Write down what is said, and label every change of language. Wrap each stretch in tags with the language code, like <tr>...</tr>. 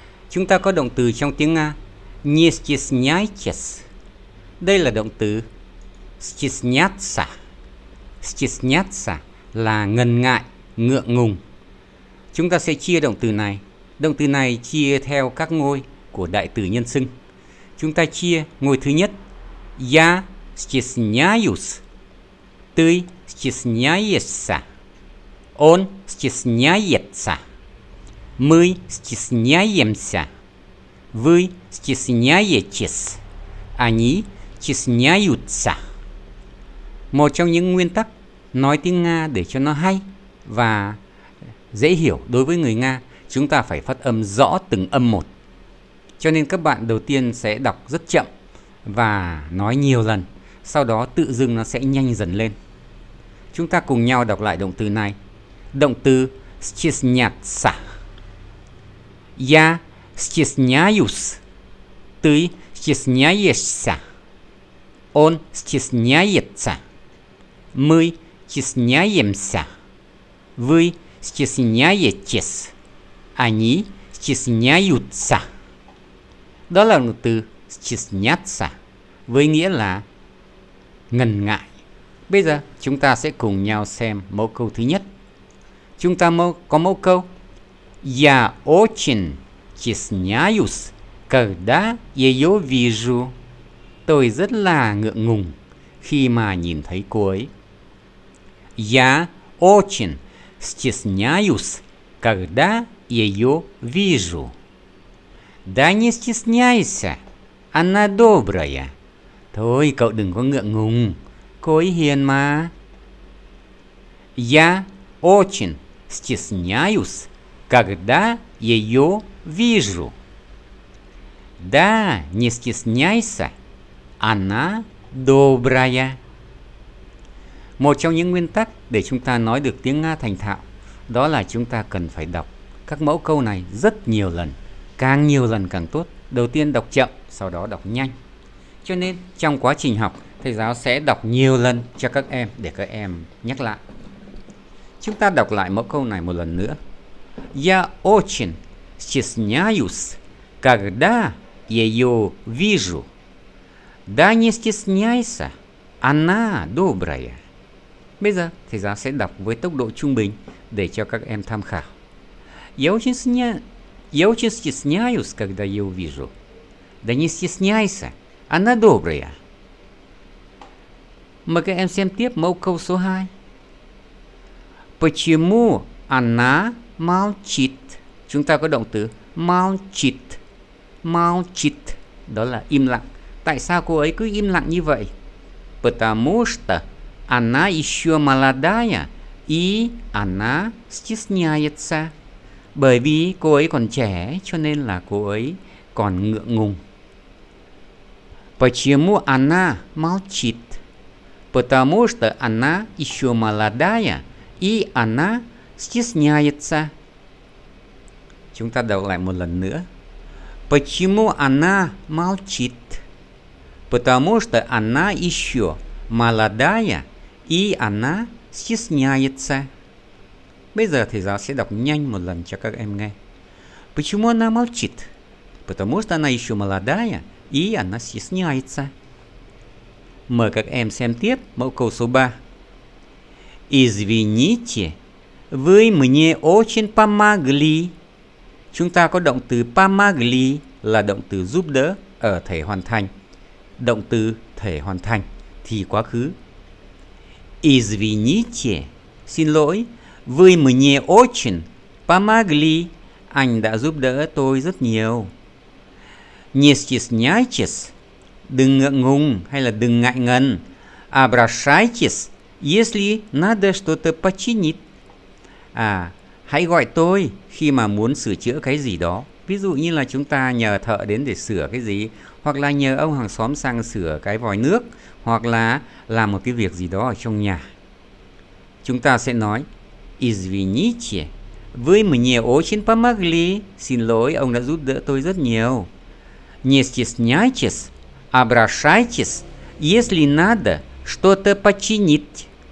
<vi>Chúng ta có động từ trong tiếng Nga</vi> <ru>не стесняйтесь.</ru> <vi>Đây là động từ стесняться. Стесняться là ngần ngại, ngượng ngùng. Chúng ta sẽ chia động từ này. Động từ này chia theo các ngôi của đại từ nhân xưng. Chúng ta chia ngôi thứ nhất</vi> <ru>я стесняюсь, ты стесняешься, он стесняется, мы стесняемся, вы стесняетесь, они стесняются.</ru> <vi>Một trong những nguyên tắc nói tiếng Nga để cho nó hay và dễ hiểu đối với người Nga, chúng ta phải phát âm rõ từng âm một. Cho nên các bạn đầu tiên sẽ đọc rất chậm và nói nhiều lần, sau đó tự dưng nó sẽ nhanh dần lên. Chúng ta cùng nhau đọc lại động từ này. Động từ стесняться.</vi> <ru>Я стесняюсь. Ты стесняешься. Он стесняется. Мы стесняемся. Вы стесняетесь. Они стесняются.</ru> <vi>Đó là động từ стесняться, với nghĩa là ngần ngại. Bây giờ chúng ta sẽ cùng nhau xem mẫu câu thứ nhất. Chúng ta có mẫu câu</vi> <ru>я очень стесняюсь, когда её вижу.</ru> <vi>Tôi rất là ngượng ngùng khi mà nhìn thấy cô ấy.</vi> <ru>Я очень стесняюсь, когда её вижу. Да не стесняйся, она добрая.</ru> <vi>Thôi cậu đừng có ngượng ngùng, cô ấy hiền mà.</vi> <ru>Я очень стесняюсь, когда её вижу. Да не стесняйся, она добрая.</ru> <vi>Một trong những nguyên tắc để chúng ta nói được tiếng Nga thành thạo, đó là chúng ta cần phải đọc các mẫu câu này rất nhiều lần. Càng nhiều lần càng tốt. Đầu tiên đọc chậm, sau đó đọc nhanh. Cho nên trong quá trình học, thầy giáo sẽ đọc nhiều lần cho các em để các em nhắc lại. Chúng ta đọc lại mẫu câu này một lần nữa.</vi> <ru>Я очень стесняюсь, когда её вижу. Да не стесняйся, она добрая.</ru> <vi>Bây giờ thầy giáo sẽ đọc với tốc độ trung bình để cho các em tham khảo.</vi> <ru>Я очень стесняюсь. Я очень стесняюсь, когда я увижу. Да не стесняйся, она добрая. Мы к этому всем тип мол кого сухай. Почему она молчит?</ru> <vi>Chúng ta có động từ молчит. Молчит. Đó là im lặng. Tại sao cô ấy cứ im lặng như vậy?</vi> <ru>Потому что она еще молодая и она стесняется.</ru> <vi>Bởi vì cô ấy còn trẻ, cho nên là cô ấy còn ngượng ngùng.</vi> <ru>Почему она молчит? Потому что она еще молодая и она стесняется.</ru> <vi>Chúng ta đọc lại một lần nữa.</vi> <ru>Почему она молчит? Потому что она еще молодая и она стесняется.</ru> <vi>Bây giờ thầy giáo sẽ đọc nhanh một lần cho các em nghe.</vi> <ru>Почему она молчит? Потому что она еще молодая и она стесняется.</ru> <vi>Mời các em xem tiếp mẫu câu số 3.</vi> <ru>Извините, вы мне очень помогли.</ru> <vi>Chúng ta có động từ помогли là động từ giúp đỡ ở thể hoàn thành. Động từ thể hoàn thành thì quá khứ. Извините, xin lỗi.</vi> <ru>Вы мне очень помогли.</ru> <vi>Anh đã giúp đỡ tôi rất nhiều.</vi> <ru>Не стесняйтесь.</ru> <vi>Đừng ngượng ngùng hay là đừng ngại ngần.</vi> <ru>Обращайтесь, если надо что-то починить.</ru> <vi>Hãy gọi tôi khi mà muốn sửa chữa cái gì đó. Ví dụ như là chúng ta nhờ thợ đến để sửa cái gì, hoặc là nhờ ông hàng xóm sang sửa cái vòi nước, hoặc là làm một cái việc gì đó ở trong nhà. Chúng ta sẽ nói</vi> <ru>Извините, вы мне очень помогли.</ru> <vi>Xin lỗi, ông đã giúp đỡ tôi rất nhiều.</vi> <ru>Не стесняйтесь, Обращайтесь, если надо что-то починить.</ru>